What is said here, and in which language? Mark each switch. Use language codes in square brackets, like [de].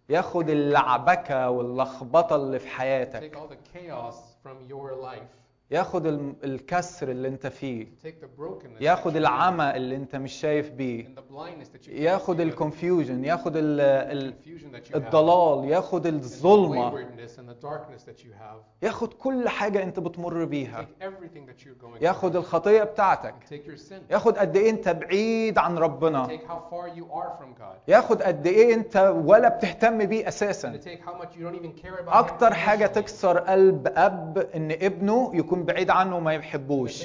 [ar] ياخد اللعبكة واللخبطة اللي في حياتك [en] to take all the chaos from your life. [ar] ياخد الكسر اللي انت فيه [en] to take the brokenness [ar] ياخد العمى اللي انت مش شايف بيه [en] and the blindness that you [ar] ياخد الكونفيوجن ياخد [en] confusion that you have. [ar] الضلال ياخد الظلمة [en] and the waywardness and the darkness that you have. [ar] ياخد كل حاجة انت بتمر بيها [en] take everything that you're going [ar] ياخد الخطية بتاعتك [en] take your sin. [ar] ياخد قد ايه انت بعيد عن ربنا [en] take how far you are from God. [ar] ياخد قد ايه انت ولا بتهتم بيه أساسا [en] take how much you don't even care about [ar] اكتر حاجة تكسر قلب أب ان ابنه يكون بعيد عنه وما يحبوش.